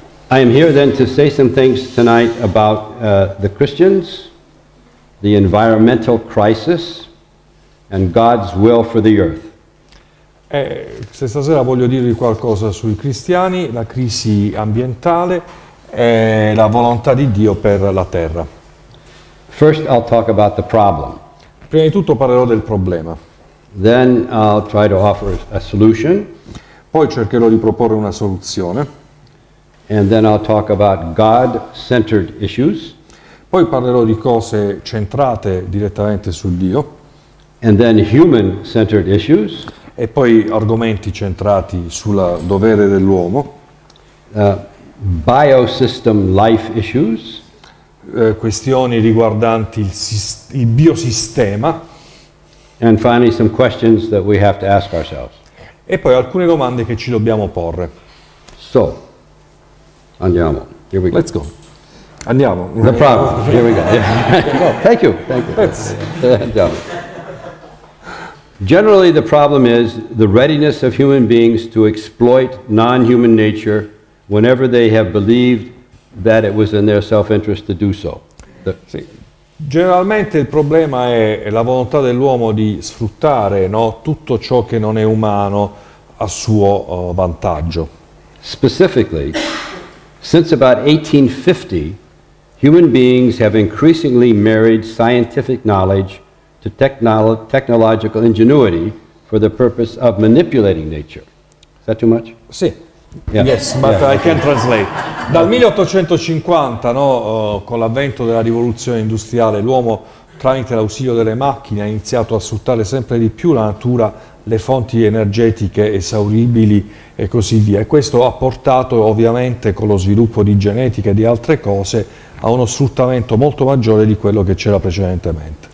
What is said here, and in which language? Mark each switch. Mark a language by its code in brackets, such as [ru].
[en] I am here then to say some things tonight about the Christians, the environmental crisis, and God's will for the earth. [it] Stasera voglio dirvi qualcosa sui cristiani, la crisi ambientale e la volontà di Dio per la terra. [en] First, I'll talk about the problem. [it] Prima di tutto parlerò del problema. [en] Then I'll try to offer a solution. [it] Poi cercherò di proporre una soluzione. [en] And then I'll talk about God-centered issues. [it] Poi parlerò di cose centrate direttamente su Dio. [en] And then human-centered issues. [it] E poi argomenti centrati sul dovere dell'uomo. [en] Biosystem life issues. [it] Questioni riguardanti il biosistema. [en] And finally some questions that we have to ask ourselves. [it] E poi alcune domande che ci dobbiamo porre. [en] So, [it] andiamo. [en] Here we go. Let's go. [it] Andiamo. [en] The problem. Here we go. Thank you. Let's. [it] Andiamo. [en] Generally, the problem is the readiness of human beings to exploit non-human nature whenever they have believed that it was in their self-interest to do so. [it] Generalmente il problema è la volontà dell'uomo di sfruttare, no, tutto ciò che non è umano a suo vantaggio. [en] Specifically, since about 1850, human beings have increasingly married scientific knowledge to technological ingenuity for the purpose of manipulating nature. Is that too much? Sì. Yeah. Yes, but yeah, I can translate. [it] Dal 1850, no, con l'avvento della rivoluzione industriale, l'uomo tramite l'ausilio delle macchine ha iniziato a sfruttare sempre di più la natura, le fonti energetiche esauribili e così via. E questo ha portato ovviamente con lo sviluppo di genetica e di altre cose a uno sfruttamento molto maggiore di quello che c'era precedentemente.